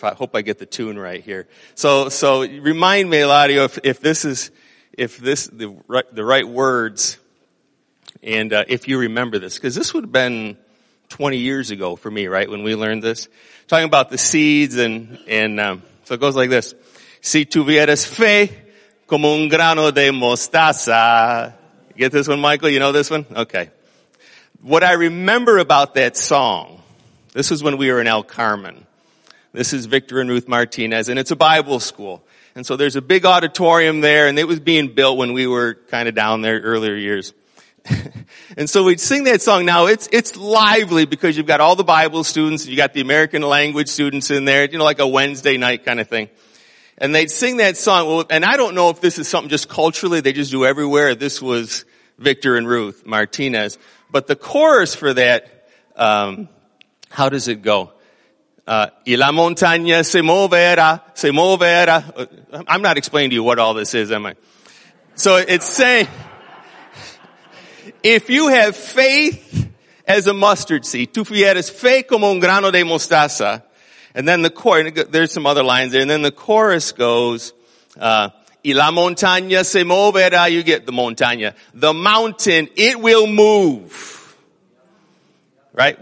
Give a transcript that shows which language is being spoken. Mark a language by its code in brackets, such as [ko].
[en] I hope I get the tune right here. So remind me, Eladio, if this is the right words, and if you remember this, because this would have been 20 years ago for me, right, when we learned this, talking about the seeds, and so it goes like this. [es] Si tuvieras fe como un grano de mostaza. [en] You get this one, Michael? You know this one? Okay. What I remember about that song, this is when we were in El Carmen. This is Victor and Ruth Martinez, and it's a Bible school. And so there's a big auditorium there, and it was being built when we were kind of down there earlier years. And so we'd sing that song. Now, it's lively because you've got all the Bible students, you got the American language students in there, you know, like a Wednesday night kind of thing. And they'd sing that song. Well, and I don't know if this is something just culturally they just do everywhere. This was Victor and Ruth Martinez. But the chorus for that, how does it go? [es] Y la montaña se moverá, se moverá. [en] I'm not explaining to you what all this is, am I? So it's saying, if you have faith as a mustard seed, tu fieres fe como un grano de mostaza, and then the chorus, there's some other lines there, and then the chorus goes, y la montaña se moverá, you get the montaña, the mountain, it will move. Right?